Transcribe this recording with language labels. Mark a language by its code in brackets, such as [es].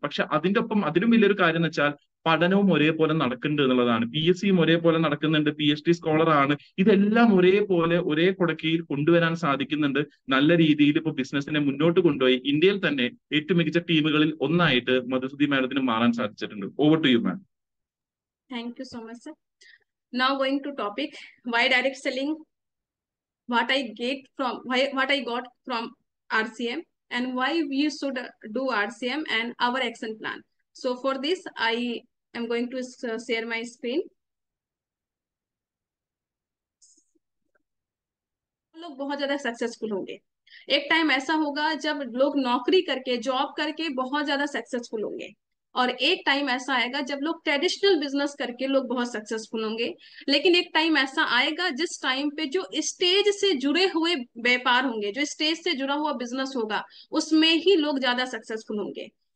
[ml] പക്ഷെ അതിന്റെ ഒപ്പം അതിലും വലിയൊരു കാര്യം എന്ന് വെച്ചാൽ പഠനവും ഒരേപോലെ നടക്കുന്നുണ്ട് എന്നുള്ളതാണ്. PSC ഒരേപോലെ നടക്കുന്നുണ്ട്, PhD സ്കോളർ ആണ്, ഇതെല്ലാം ഒരേപോലെ ഒരേ കുടക്കീഴിൽ കൊണ്ടുവരാൻ സാധിക്കുന്നുണ്ട്. നല്ല രീതിയിൽ ഇപ്പൊ ബിസിനസിനെ മുന്നോട്ട് കൊണ്ടുപോയി ഇന്ത്യയിൽ തന്നെ ഏറ്റവും മികച്ച ടീമുകളിൽ ഒന്നായിട്ട് മധുസൂദി മാഡത്തിന് മാറാൻ സാധിച്ചിട്ടുണ്ട്. [en] Over to you ma'am. Thank you so much, sir. Now going to topic, why direct selling? What I got from RCM and why we should do RCM and our action plan. So for this, I am going to share my screen. [hi] लोग बहुत ज्यादा successful होंगे. एक time ऐसा होगा जब लोग नौकरी करके जॉब करके बहुत ज्यादा सक्सेसफुल होंगे और एक टाइम ऐसा आएगा जब लोग ट्रेडिशनल बिजनेस करके लोग बहुत सक्सेसफुल होंगे. लेकिन एक टाइम ऐसा आएगा जिस टाइम पे जो स्टेज से जुड़े हुए व्यापार होंगे, जो स्टेज से जुड़ा हुआ बिजनेस होगा, उसमें ही लोग ज्यादा सक्सेसफुल होंगे.